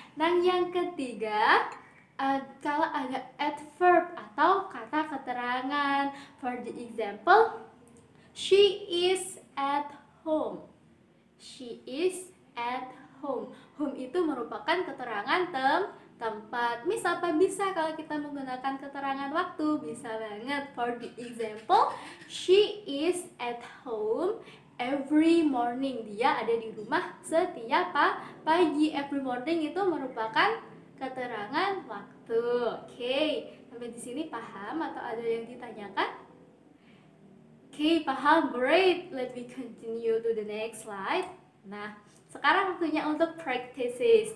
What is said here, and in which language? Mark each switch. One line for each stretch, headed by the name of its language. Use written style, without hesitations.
Indonesian: Nah, yang ketiga, kalau ada adverb atau kata keterangan.
English: For the example, she is at home. She is at home.
Indonesian: Home itu merupakan keterangan tempat. Misal apa bisa kalau kita menggunakan keterangan waktu? Bisa banget.
English: For the example, she is at home every morning.
Indonesian: Dia ada di rumah setiap pagi.
English: Every morning
Indonesian: itu merupakan keterangan waktu. Okay. Sampai di sini paham atau ada yang ditanyakan? Okay, paham.
English: Great. Let me continue to the next slide. Nah,
Indonesian: sekarang waktunya untuk
English: practices.